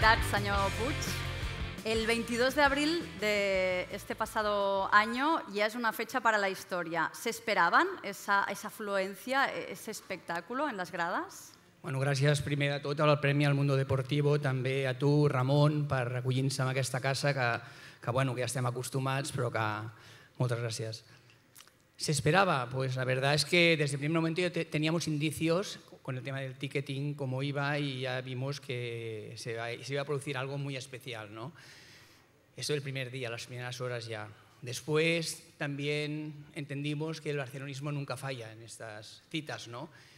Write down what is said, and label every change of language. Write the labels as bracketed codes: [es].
[es] Señor Puig, el 22 de abril de este pasado año ya es una fecha para la historia. ¿Se esperaban esa afluencia, ese espectáculo en las gradas? [ca] Bueno, gràcies primer de tot al Premi al Mundo Deportivo, també a tu, Ramon, per acollir-se en aquesta casa que bueno, que ja estem acostumats, però que moltes gràcies. [es] Se esperaba, pues la verdad es que desde el primer momento teníamos indicios con el tema del ticketing, cómo iba, y ya vimos que se iba a producir algo muy especial, ¿no? Eso el primer día, las primeras horas ya. Después también entendimos que el barcelonismo nunca falla en estas citas, ¿no?